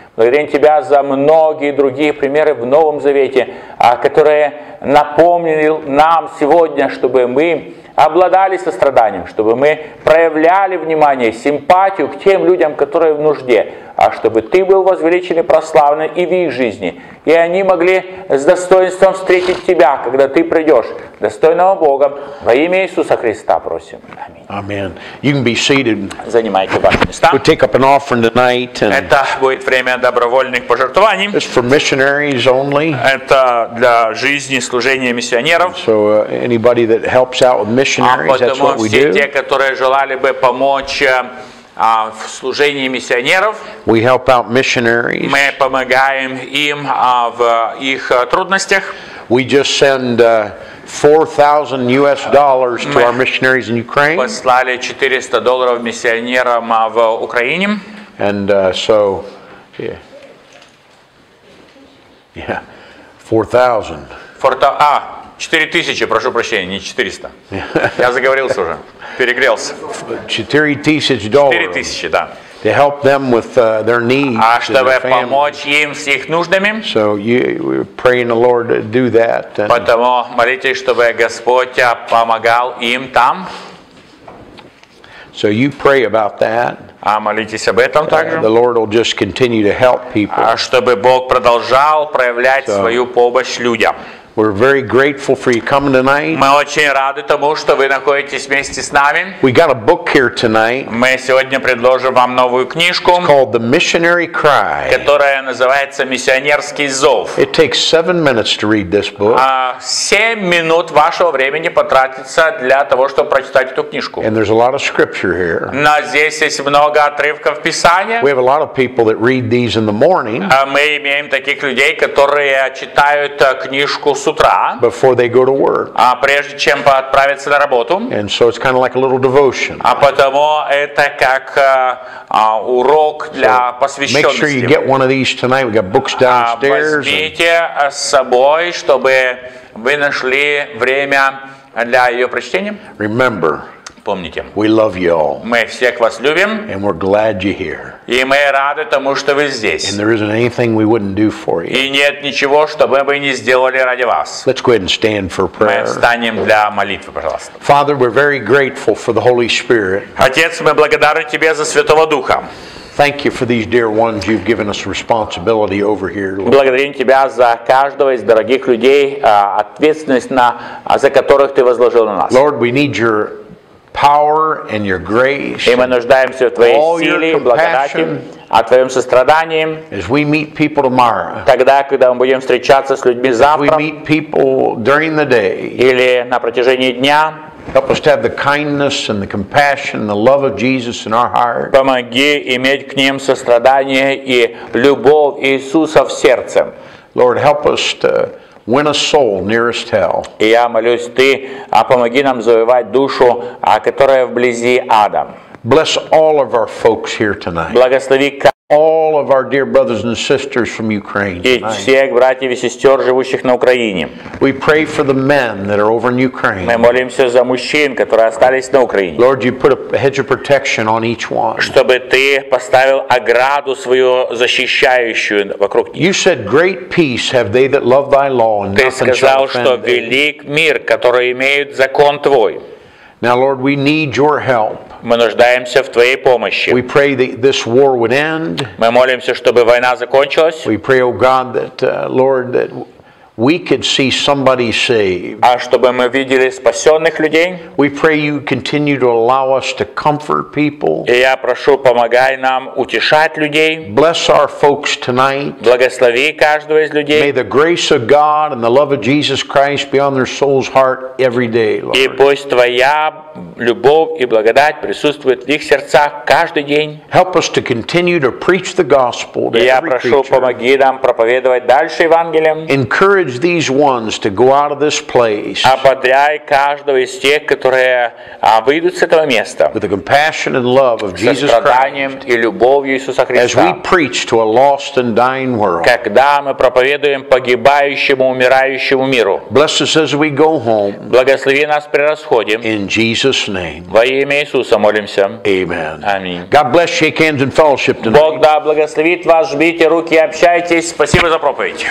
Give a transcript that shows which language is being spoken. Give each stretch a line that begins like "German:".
Russian: Благодарим Тебя за многие другие примеры в Новом Завете, которые напомнили нам сегодня, чтобы мы обладали состраданием, чтобы мы проявляли внимание, симпатию к тем людям, которые в нужде, а чтобы Ты был возвеличен и прославлен и в их жизни, и они могли с достоинством встретить Тебя, когда Ты придешь, достойного Бога, во имя Иисуса Христа просим. Аминь.
English: Аминь. You can be seated.
Russian: Занимайте ваши места.
English: We'll take up an offering tonight. And
Russian: это будет время добровольных пожертвований.
English: It's for missionaries only.
Russian: Это для жизни служения миссионеров.
English: So anybody that helps out with missionaries, that's what we do.
Russian: А потому все те, которые желали бы помочь в служении миссионеров,
English: we help out missionaries.
Russian: Мы помогаем им в их трудностях.
English: We just send $4,000 to our missionaries in Ukraine.
Russian: Послали $400 миссионерам в Украине.
English: And so, yeah, 4,000.
Russian: Четыре тысячи, прошу прощения, не 400. Я заговорился уже, перегрелся.
English: $4,000,
Russian: да.
English: To help them with their needs.
Russian: А чтобы помочь им с их нуждами.
English: So you're praying the Lord to do that.
Russian: Поэтому молитесь, чтобы Господь помогал им там.
English: So you pray about that.
Russian: А молитесь об этом также.
English: The Lord will just continue to help people.
Russian: А чтобы Бог продолжал проявлять свою помощь людям.
English: We're very grateful for you coming tonight.
Russian: Мы очень рады тому, что вы находитесь вместе с нами.
English: We got a book here tonight.
Russian: Мы сегодня предложим вам новую книжку.
English: It's called The Missionary Cry.
Russian: Которая называется «Миссионерский зов».
English: It takes 7 minutes to read this book.
Russian: 7 минут вашего времени потратится для того, чтобы прочитать эту книжку.
English: And there's a lot of scripture here.
Russian: Но здесь есть много отрывков Писания.
English: We have a lot of people that read these in the morning.
Russian: Мы имеем таких людей, которые читают книжку с утра,
English: before they go to work.
Russian: А прежде чем отправиться на работу.
English: And so it's kind of like a little devotion.
Russian: А потому это как урок для посвященности.
English: Make sure you get one of these tonight. We got books downstairs.
Russian: Возьмите с собой, чтобы вы нашли время для ее прочтения.
English: Remember.
Russian: Помните.
English: We love you all.
Russian: Мы всех вас любим.
English: And we're glad you're here.
Russian: И мы рады тому, что вы здесь.
English: And there isn't anything we wouldn't do for you.
Russian: И нет ничего, что мы бы не сделали ради вас.
English: Let's go ahead and stand for prayer.
Russian: Мы встанем для молитвы, пожалуйста.
English: Father, we're very grateful for the Holy Spirit.
Russian: Отец, мы благодарны тебе за Святого Духа.
English: Thank you for these dear ones you've given us responsibility over here.
Russian: Благодарим тебя за каждого из дорогих людей, ответственность на за которых ты возложил на нас.
English: Lord, we need your power and your grace.
Russian: И мы нуждаемся в твоей силе, благодати, о твоем сострадании.
English: As we meet people tomorrow.
Russian: Тогда, когда мы будем встречаться с людьми завтра.
English: We meet people during the day.
Russian: Или на протяжении дня.
English: Help us to have the kindness and the compassion and the love of Jesus in our heart.
Russian: Помоги иметь к ним сострадание и любовь Иисуса в сердце.
English: Lord, help us to win a soul nearest hell.
Russian: И я молюсь, ты, помоги нам завоевать душу, которая вблизи ада.
English: Bless all of our folks here tonight.
Russian: Благослови
English: all of our dear brothers and sisters from Ukraine tonight.
Russian: И всех братьев и сестер, живущих на Украине.
English: We pray for the men that are over in Ukraine.
Russian: Мы молимся за мужчин, которые остались на Украине.
English: Lord, you put a hedge of protection on each one.
Russian: Чтобы ты поставил ограду свою защищающую вокруг них.
English: You said, "Great peace have they that love thy law, and nothing shall offend."
Russian: Ты сказал, что велик мир, который имеет закон твой.
English: Now, Lord, we need your help.
Russian: Мы нуждаемся в твоей помощи.
English: We pray that this war would end.
Russian: Мы молимся, чтобы война закончилась.
English: We pray, oh God, that Lord, that we could see somebody saved.
Russian: А чтобы мы видели спасенных людей.
English: We pray you continue to allow us to comfort people.
Russian: И я прошу, помогай нам утешать людей.
English: Bless our folks tonight.
Russian: Благослови каждого из людей.
English: May the grace of God and the love of Jesus Christ be on their soul's heart every day, Lord.
Russian: И пусть твоя любовь и благодать присутствует в их сердцах каждый день.
English: Help us to continue to preach the gospel to every creature.
Russian: Я прошу, помоги нам проповедовать дальше Евангелием.
English: Encourage these ones to go out of this place.
Russian: Ободряй каждого из тех, которые выйдут с этого места.
English: With the compassion and love of Jesus Christ.
Russian: Состраданием и любовью Иисуса Христа.
English: As we preach to a lost and dying world.
Russian: Когда мы проповедуем погибающему, умирающему миру.
English: Bless us as we go home.
Russian: Благослови нас при расходе.
English: In Jesus' name.
Russian: Во имя Иисуса молимся.
English: Amen.
Russian: Аминь.
English: God bless. Shake hands and fellowship tonight.
Russian: Бог да благословит вас. Жмите руки, общайтесь. Спасибо за проповедь.